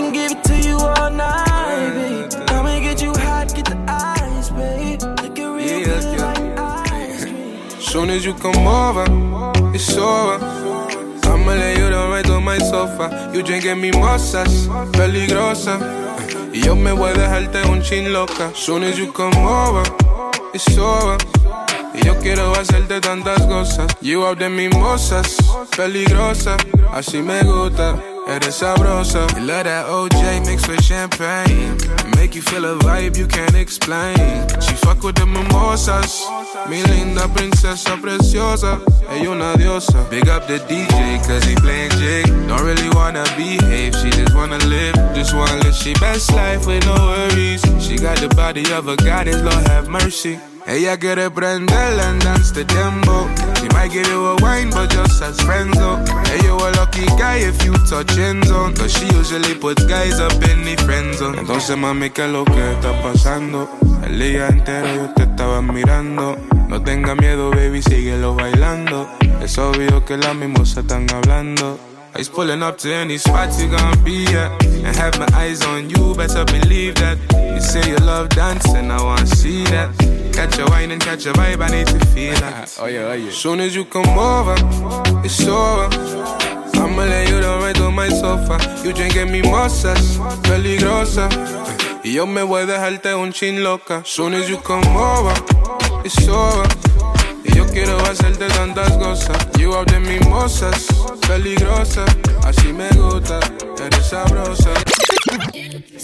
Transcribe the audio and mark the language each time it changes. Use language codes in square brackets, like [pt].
[en] I can give it to you all night, babe. Come and get you hot, get the ice, babe. Look at real, yeah, good, yeah. Like ice cream. Soon as you come over, it's over. I'ma lay you down right on my sofa. You drinking mimosas, peligrosa. [es] Yo me voy a dejarte un chin loca. [en] Soon as you come over, it's over. [es] Yo quiero hacerte tantas cosas. [en] You out [es] de mimosas, peligrosa. Así me gusta, eres sabrosa. [en] You love that OJ mixed with champagne. Make you feel a vibe you can't explain. She fuck with the mimosas. [es] Mi linda princesa preciosa. Ella una diosa. [en] Big up the DJ, cause he playing jig. Don't really wanna behave, she just wanna live. Just wanna live she best life with no worries. She got the body of a goddess, Lord have mercy. [es] Ella quiere prenderla [en] and dance the tempo. She might give you a wine, but just as friends though. Hey, you a lucky guy if you touch end zone. Cause she usually puts guys up in the friend zone. [es] Entonces mami, ¿qué es lo que está pasando? El día entero yo te estaba mirando. No tenga miedo, baby, síguelo bailando. Es obvio que las mimosas están hablando. [en] He's pulling up to any spot you gon' be at. And have my eyes on you, better believe that. You say you love dancing, I wanna see that. Catch a wine and catch a vibe, I need to feel that. Oh yeah, oh yeah. Soon as you come over, it's over. I'ma lay you down right on my sofa. You drinking mimosas, peligrosa. [es] Yo me voy a dejarte un chin loca. [en] Soon as you come over, it's over. [es] Yo quiero hacerte tantas cosas. [en] You out there [es] mimosas, peligrosa. Así me gusta, eres sabrosa.